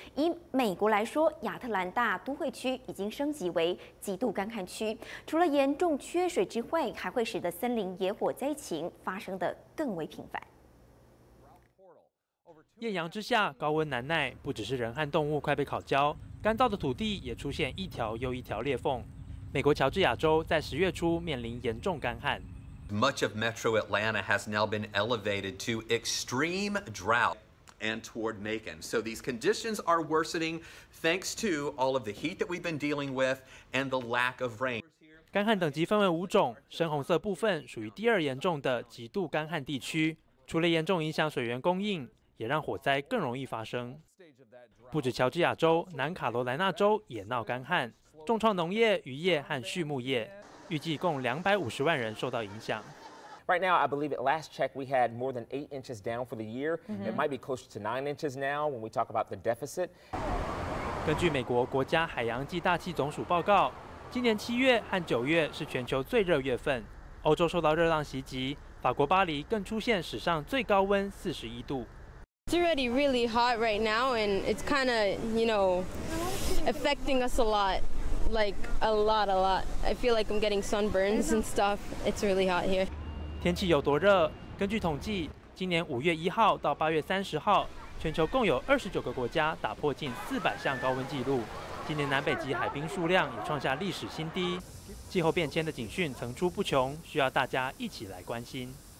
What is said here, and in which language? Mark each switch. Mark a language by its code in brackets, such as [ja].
[zh] 以美国来说，亚特兰大都会区已经升级为极度干旱区，除了严重缺水之外，还会使得森林野火灾情发生得更为频繁。艳阳之下，高温难耐，不只是人和动物快被烤焦，干燥的土地也出现一条又一条裂缝。美国乔治亚州在10月初面临严重干旱。 [en] Much of Metro Atlanta has now been elevated to extreme drought and toward Macon. So these conditions are worsening thanks to all of the heat that we've been dealing with and the lack of rain. [zh] 干旱等级分为5种，深红色部分属于第二严重的极度干旱地区，除了严重影响水源供应，也让火灾更容易发生。不止乔治亚州，南卡罗来纳州也闹干旱，重创农业、渔业和畜牧业，预计共250万人受到影响。 [en] Right now, I believe at last check we had more than 8 inches down for the year. It might be closer to 9 inches now when we talk about the deficit. [zh] 根据美国国家海洋暨大气总署报告，今年7月和9月是全球最热月份。欧洲受到热浪袭击，法国巴黎更出现史上最高温41度。 [en] It's already really hot right now, and it's kind of, you know, affecting us a lot, like a lot, a lot. I feel like I'm getting sunburns and stuff. It's really hot here. [zh] 天气有多热？根据统计，今年5月1号到8月30号，全球共有29个国家打破近400项高温记录。今年南北极海冰数量也创下历史新低。气候变迁的警讯层出不穷，需要大家一起来关心。